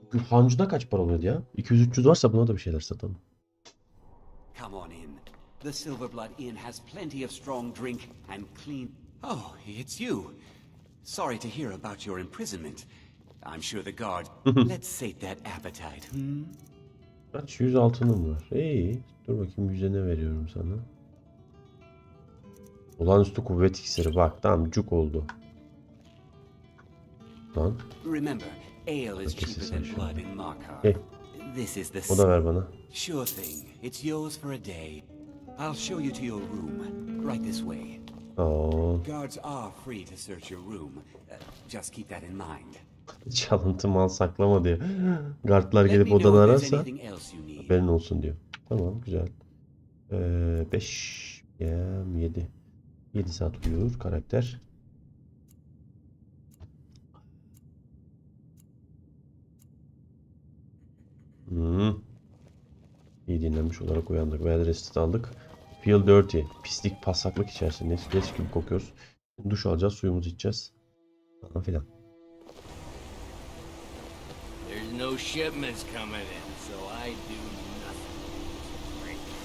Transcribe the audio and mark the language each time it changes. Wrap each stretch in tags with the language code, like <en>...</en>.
<tr>Hancı'da kaç para oluyordu ya? 200-300 varsa buna da bir şeyler satalım.</tr> <en>Come on in. The Silverblood Inn has plenty of strong drink and clean. Oh, it's you. Sorry to hear about your imprisonment. I'm sure the guard. Let's sate that appetite.</en> <tr>Kaç, 100 altınım var. Hey, dur bakayım, 100'e ne veriyorum sana? Olağanüstü kuvvet iksiri. Bak, tam cuk oldu. Lan.</tr> <en>Ale is cheaper than blood in Markar. This is the.</en> <tr>O da ver bana.</tr> <en>Sure thing. It's yours for a day. I'll show you to your room. Right this way. Oh. Guards are free to search your room. Just keep that in mind.</en> <tr>Çalıntı mal saklama diyor. Guardlar gelip odanı ararsa haberin olsun diyor. Tamam, güzel. 5 PM 7. 7 saat uyur karakter. İyi dinlenmiş olarak uyandık.</tr> <en>Bad rest</en> <tr>aldık.</tr> <en>Feel dirty.</en> <tr>Pislik, paslaklık içerisinde. Leş gibi kokuyoruz. Duş alacağız, suyumuzu içeceğiz. Falan filan.</tr> <en>There's no shipments coming in, so I do nothing.</en>